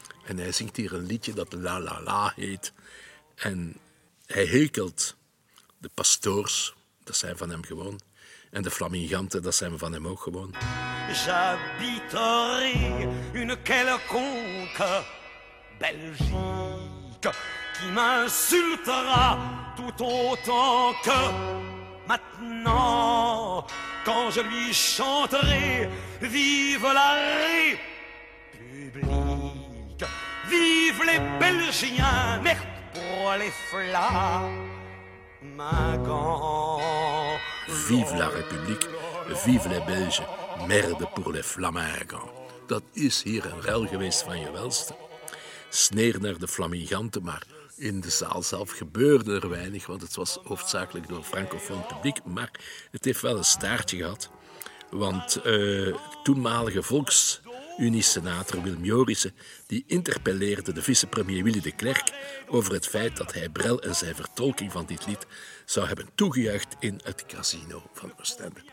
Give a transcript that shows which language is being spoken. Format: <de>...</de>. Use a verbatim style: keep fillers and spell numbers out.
<nl>En hij zingt hier een liedje dat La La La heet. En hij hekelt de pastoors, dat zijn van hem gewoon. En de flaminganten, dat zijn van hem ook gewoon.</nl> <fr>J'habiterai une quelconque Belgique qui m'insultera tout autant que maintenant, quand je lui chanterai vive la République, vive les Belgiens, merde pour les flamands. Vive la République, vive les Belges, merde pour les flamands.</fr> <nl>Dat is hier een rel geweest van je welste. Sneer naar de flaminganten, maar in de zaal zelf gebeurde er weinig, want het was hoofdzakelijk door francofoon publiek, maar het heeft wel een staartje gehad. Want uh, toenmalige Volksunie-senator Willem Jorissen, die interpelleerde de vicepremier Willy de Clercq over het feit dat hij Brel en zijn vertolking van dit lied zou hebben toegejuicht in het casino van Oostende.</nl>